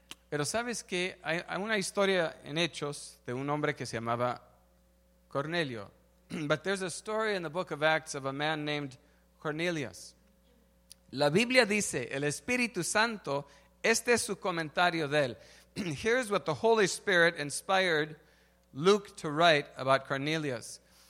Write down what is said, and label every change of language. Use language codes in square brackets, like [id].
[es] Pero sabes que hay una historia en Hechos de un hombre que se llamaba Cornelio. [en] But there's a story in the book of Acts of a man named Cornelius. [es] La Biblia dice, el Espíritu Santo, este es su comentario de él. [en] Here's what the Holy Spirit inspired Luke to write about Cornelius.